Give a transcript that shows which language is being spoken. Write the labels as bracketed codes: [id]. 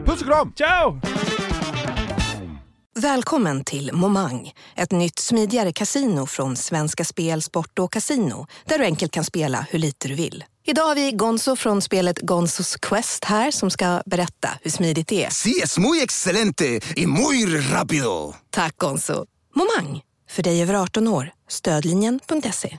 [sv] Puss och kram. Ciao. Välkommen till Momang. Ett nytt smidigare kasino från Svenska Spel, Sport och Casino. Där du enkelt kan spela hur lite du vill. Idag har vi Gonzo från spelet Gonzos Quest här som ska berätta hur smidigt det är. [es] Sí, es muy excelente y muy rápido. [sv] Tack Gonzo. Momang, för dig över 18 år. Stödlinjen.se.